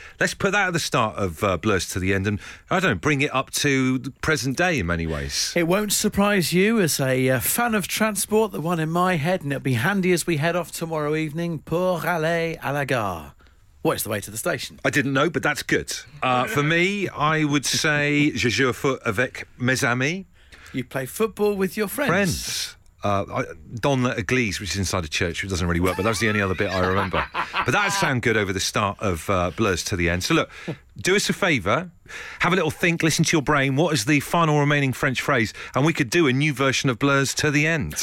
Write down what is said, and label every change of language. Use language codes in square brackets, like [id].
[en] Let's put that at the start of Blur's To the End and, I don't know, bring it up to the present day in many ways. It won't surprise you as a fan of transport, the one in my head, and it'll be handy as we head off tomorrow evening, [fr] pour aller à la gare. [en] What is the way to the station? I didn't know, but that's good. For me, I would say [fr] je joue foot avec mes amis. [en] You play football with your friends. Friends. [fr] Don l'église, [en] which is inside a church, which doesn't really work, but that's the only other bit I remember. But that sounded good over the start of Blur's To The End. So look, do us a favour, have a little think, listen to your brain. What is the final remaining French phrase? And we could do a new version of Blur's To The End.